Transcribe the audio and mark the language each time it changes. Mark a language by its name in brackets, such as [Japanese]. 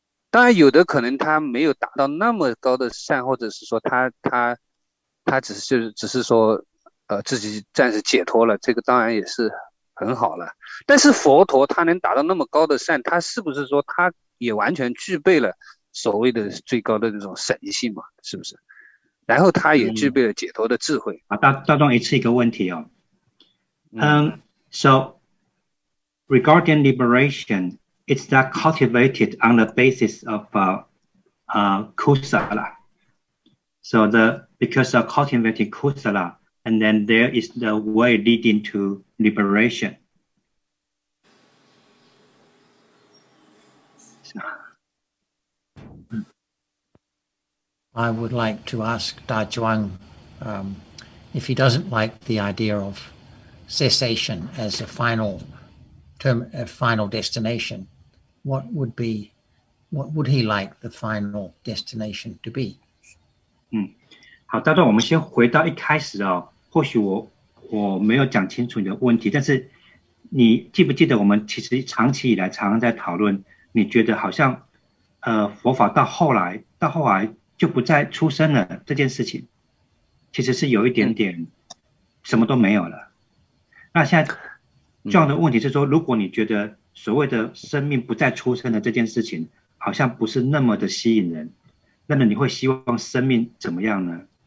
[Chinese] 当然有的可能他没有达到那么高的善，或者是说他只是说自己暂时解脱了，这个当然也是很好了。但是佛陀他能达到那么高的善，他是不是说他也完全具备了所谓的最高的那种神性嘛，是不是？然后他也具备了解脱的智慧。啊，大壮也是一个问题哦。 [English] So regarding liberation,It's that cultivated on the basis of kusala. So because of cultivating kusala, and then there is the way leading to liberation. I would like to ask Da Zhuang if he doesn't like the idea of cessation as a final term, a final destination. What would he like the final destination to be? [Chinese] 好，大壮，我们先回到一开始哦。或许我没有讲清楚你的问题，但是你记不记得我们其实长期以来常常在讨论，你觉得好像佛法到后来就不再出生了这件事情，其实是有一点点什么都没有了。那现在这样的问题是说，如果你觉得所谓的生命不再出生的这件事情好像不是那么的吸引人，那么你会希望生命怎么样呢？